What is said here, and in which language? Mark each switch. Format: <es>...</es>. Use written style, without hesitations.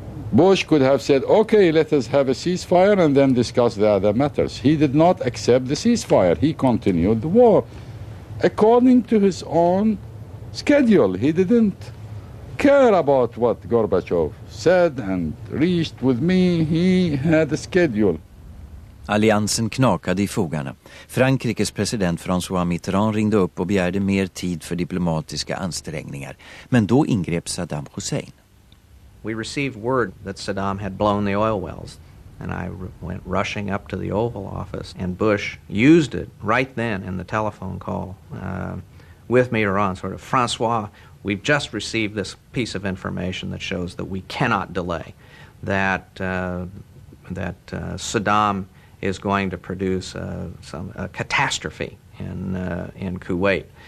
<en>Bush could have said, okay, let us have a ceasefire and then discuss the other matters. He did not accept the ceasefire. He continued the war according to his own schedule. He didn't care about what Gorbachev said and reached with me. He had a schedule.</en> <sv>Alliansen knakade i fogarna. Frankrikes president François Mitterrand ringde upp och begärde mer tid för diplomatiska ansträngningar. Men då ingrep Saddam Hussein.</sv> <en>We received word that Saddam had blown the oil wells, and I went rushing up to the Oval Office, and Bush used it right then in the telephone call with Mitterrand, sort of, "François, we've just received this piece of information that shows that we cannot delay, that Saddam is going to produce a catastrophe in Kuwait.</en>